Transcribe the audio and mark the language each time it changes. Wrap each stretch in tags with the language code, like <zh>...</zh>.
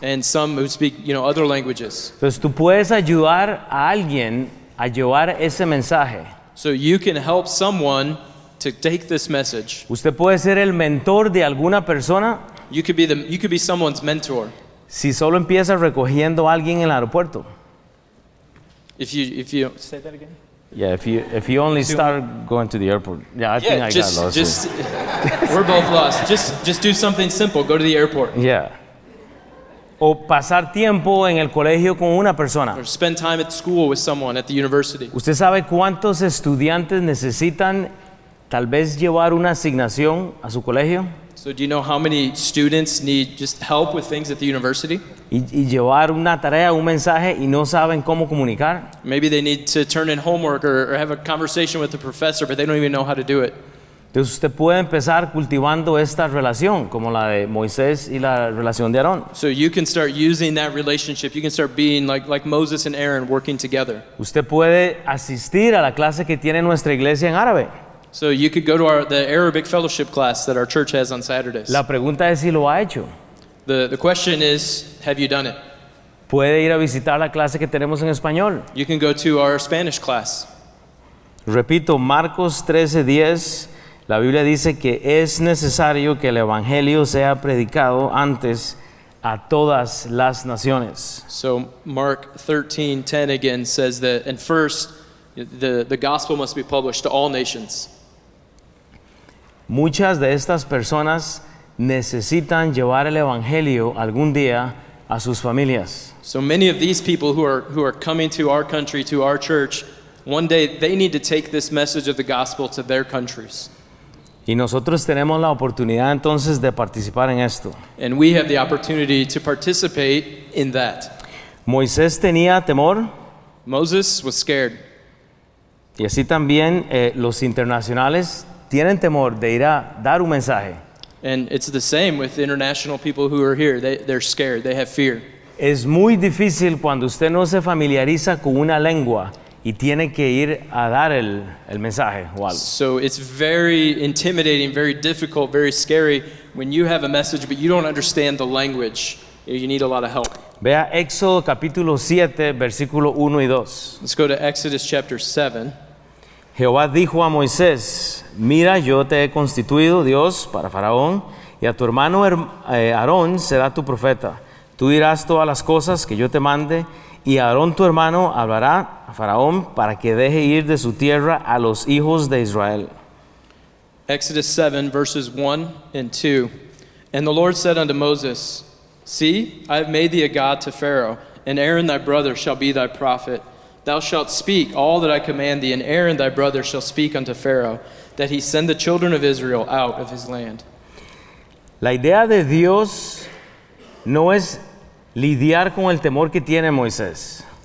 <en>And some who speak, you know, other languages.</en> <es>Entonces tú puedes ayudar a alguien a llevar ese mensaje.</es> <en>So you can help someone to take this message.</en> <es>Usted puede ser el mentor de alguna persona.</es> <en>You could be someone's mentor.</en> <es>Si solo empieza recogiendo a alguien en el aeropuerto.</es> <en>If you say that again. Yeah, if you only start going to the airport. Yeah, I think I just, got lost. Just, we're both lost. Just do something simple. Go to the airport. Yeah.</en> <es>O pasar tiempo en el colegio con una persona.</es> <en>Or spend time at school with someone at the university.</en> <es>¿Usted sabe cuántos estudiantes necesitan tal vez llevar una asignación a su colegio?</es> <en>So do you know how many students need just help with things at the university?</en> <es>Y llevar una tarea, un mensaje y no saben cómo comunicar.</es> <en>Maybe they need to turn in homework or have a conversation with the professor, but they don't even know how to do it.</en> <es>Entonces usted puede empezar cultivando esta relación, como la de Moisés y la relación de Aarón.</es> <en>So you can start using that relationship. You can start being like Moses and Aaron working together.</en> <es>Usted puede asistir a la clase que tiene nuestra iglesia en árabe.</es> <en>So you could go to the Arabic fellowship class that our church has on Saturdays.</en> <es>La pregunta es si lo ha hecho.</es> <en>The question is, have you done it?</en> <es>Puede ir a visitar la clase que tenemos en español.</es> <en>You can go to our Spanish class.</en> <es>Repito, Marcos 13:10. La Biblia dice que es necesario que el Evangelio sea predicado antes a todas las naciones.</es> <en>So Mark 13:10 again says that, and first, the gospel must be published to all nations.</en> <es>Muchas de estas personas necesitan llevar el Evangelio algún día a sus familias.</es> <en>So many of these people who are coming to our country, to our church, one day they need to take this message of the gospel to their countries.</en> <es>Y nosotros tenemos la oportunidad entonces de participar en esto.</es> <en>And we have the opportunity to participate in that.</en> <es>Moisés tenía temor.</es> <en>Moses was scared.</en> <es>Y así también los internacionales tienen temor de ir a dar un mensaje.</es> <en>And it's the same with international people who are here. They're scared. They have fear.</en> <es>Es muy difícil cuando usted no se familiariza con una lengua y tiene que ir a dar el mensaje o algo.</es> <en>So it's very intimidating, very difficult, very scary when you have a message but you don't understand the language. You need a lot of help.</en> <es>Vea Éxodo capítulo 7, versículo 1 y 2.</es> <en>Let's go to Exodus chapter 7.</en> <es>Jehová dijo a Moisés, Mira, yo te he constituido Dios para Faraón, y a tu hermano Aarón será tu profeta. Tú dirás todas las cosas que yo te mande, y Aarón tu hermano hablará a Faraón para que deje ir de su tierra a los hijos de Israel.</es> <en>Exodus 7, verses 1 and 2. And the Lord said unto Moses, See, I have made thee a god to Pharaoh, and Aaron thy brother shall be thy prophet. Thou shalt speak all that I command thee, and Aaron thy brother shall speak unto Pharaoh, that he send the children of Israel out of his land.</en> <es>La idea de Dios no es lidiar con el temor que tiene Moisés.</es>